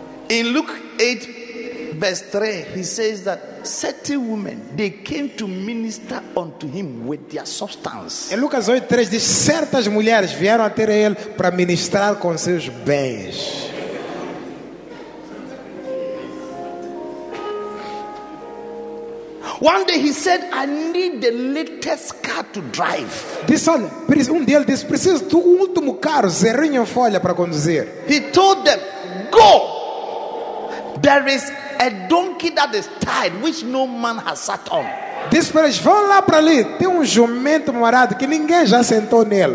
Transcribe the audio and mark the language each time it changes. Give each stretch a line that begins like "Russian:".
English: In Luke 8, verse 3, he says that certain women, they came to minister unto him with their substance.
Portuguese: Em Lucas 8, 3, diz, certas mulheres vieram até ele para ministrar com seus bens.
English: One day he said, I need the latest car to drive.
Portuguese: Diz, olha, dia ele disse, preciso do último carro, zerinho em folha para conduzir.
English: He told them, go. There is a donkey that is tied, which no man has sat on.
Portuguese: Diz para eles, vão lá para ali. Tem jumento marado que ninguém já sentou nele.